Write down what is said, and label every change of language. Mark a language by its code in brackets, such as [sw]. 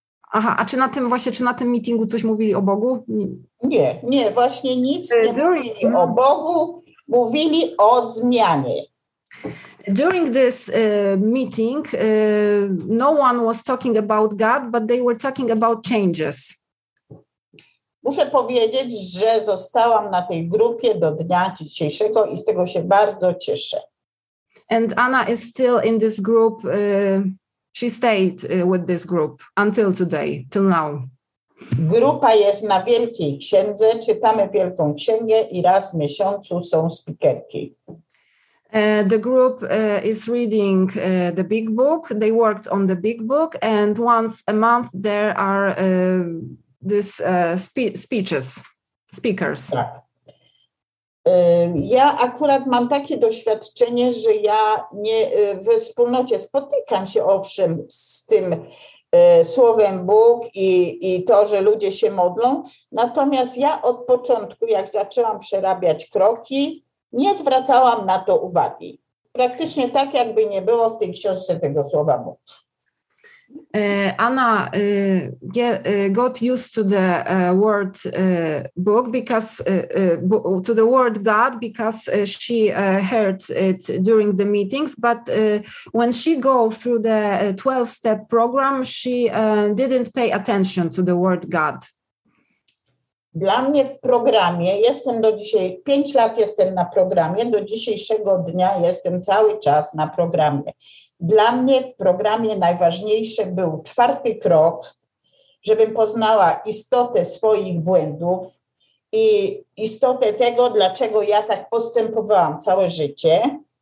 [pl] Aha, a czy na tym meetingu coś mówili o Bogu? Nie, właśnie nic nie mówili o Bogu, mówili o zmianie. [en] During this meeting, no one was talking about God, but they were talking about changes. [pl] Muszę powiedzieć, że zostałam na tej grupie do dnia dzisiejszego i z tego się bardzo cieszę. [en] And Anna is still in this group. She stayed with this group until today, till now. [pl] Grupa jest na Wielkiej Księdze, czytamy Wielką Księgę i raz w miesiącu są speakerki. [en] The group is reading the big book, they worked on the big book and once a month there are this speakers. [pl] Tak. Ja akurat mam takie doświadczenie, że ja nie we wspólnocie spotykam się owszem z tym słowem Bóg i to, że ludzie się modlą, natomiast ja od początku, jak zaczęłam przerabiać kroki, nie zwracałam na to uwagi. Praktycznie tak, jakby nie było w tej książce tego słowa Bóg. [en] Anna got used to the word book because to the word God because she heard it during the meetings. But when she go through the 12-step program, she didn't pay attention to the word God. [pl] Dla mnie w programie, jestem do dzisiaj, 5 lat jestem na programie, do dzisiejszego dnia jestem cały czas na programie. Dla mnie w programie najważniejszy był 4. krok, żebym poznała istotę swoich błędów i istotę tego, dlaczego ja tak postępowałam całe życie.